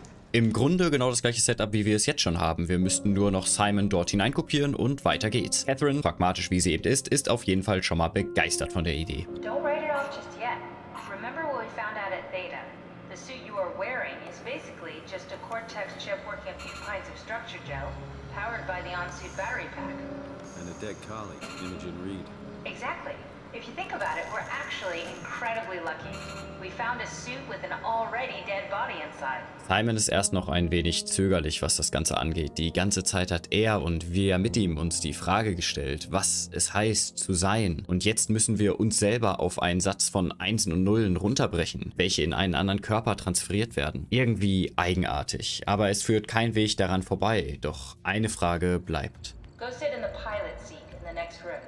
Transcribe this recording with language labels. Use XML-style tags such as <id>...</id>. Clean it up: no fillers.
<de>Im Grunde genau das gleiche Setup, wie wir es jetzt schon haben. Wir müssten nur noch Simon dort hineinkopieren und weiter geht's. Catherine, pragmatisch wie sie eben ist, ist auf jeden Fall schon mal begeistert von der Idee.</de> <en>Don't write it off just yet. Remember what we found out at Theta. The suit you are wearing is basically just a Cortex chip working a few pints of structure gel, powered by the on-suit battery pack. And a dead colleague, Imogen Reed. Exactly. If you think about it, we're actually incredibly lucky. We found a suit with an already dead body inside.</en> <de>Simon ist erst noch ein wenig zögerlich, was das Ganze angeht. Die ganze Zeit hat er und wir mit ihm uns die Frage gestellt, was es heißt zu sein. Und jetzt müssen wir uns selber auf einen Satz von Einsen und Nullen runterbrechen, welche in einen anderen Körper transferiert werden. Irgendwie eigenartig, aber es führt kein Weg daran vorbei. Doch eine Frage bleibt.</de> <en>Go sit in the pilot seat in the next room.</en>